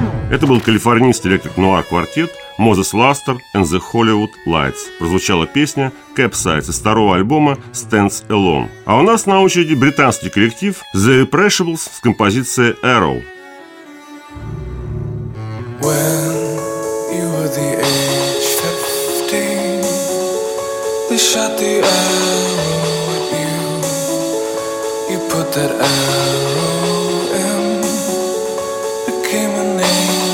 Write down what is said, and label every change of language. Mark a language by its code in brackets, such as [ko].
[ru] Это был калифорнийский Electric Noir Quartet Moses Luster and the Hollywood Lights. Прозвучала песня Capsize из второго альбома Stands Alone. А у нас на очереди британский коллектив The Irrepressibles с композицией Arrow. [en] When you were the age 15, they shot the arrow at you. You put that arrow in, became an angel.